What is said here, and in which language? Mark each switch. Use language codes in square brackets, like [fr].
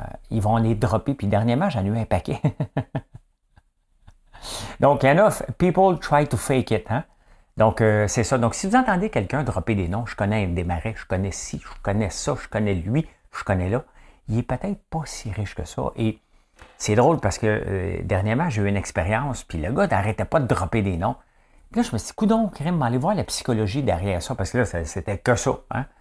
[fr] Ils vont les dropper, puis dernièrement, j'en ai eu un paquet. [en] Donc, enough, people try to fake it, hein? [fr] Donc, c'est ça. Donc, si vous entendez quelqu'un dropper des noms, je connais un Desmarais, je connais ci, je connais ça, je connais lui, je connais là, il est peut-être pas si riche que ça. Et c'est drôle parce que dernièrement, j'ai eu une expérience, puis le gars n'arrêtait pas de dropper des noms. Puis là, je me suis dit, coudonc, crème, allez voir la psychologie derrière ça, parce que là, c'était que ça, hein?